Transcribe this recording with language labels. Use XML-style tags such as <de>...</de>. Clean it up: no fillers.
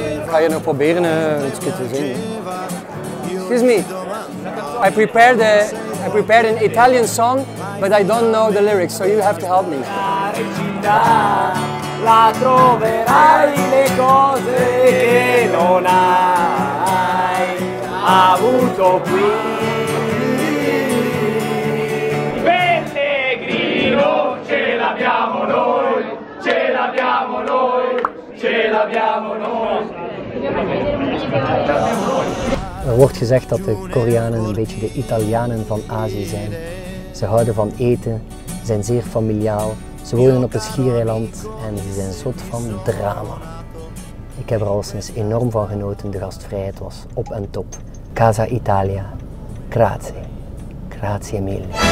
<nl>Ga je nu proberen iets te zingen?</nl> <en>Excuse me. I prepared an Italian song, but I don't know the lyrics, so you have to help me.</en> <it>La troverai le cose che non hai avuto qui. Pellegrino, ce l'abbiamo noi, ce l'abbiamo noi, ce l'abbiamo noi.</it> <nl>Er wordt gezegd dat de Koreanen een beetje de Italianen van Azië zijn. Ze houden van eten, zijn zeer familiaal, ze wonen op een schiereiland en ze zijn zot van drama. Ik heb er al sinds enorm van genoten, de gastvrijheid was op en top. Casa Italia,</nl> <it>grazie. Grazie mille.</it>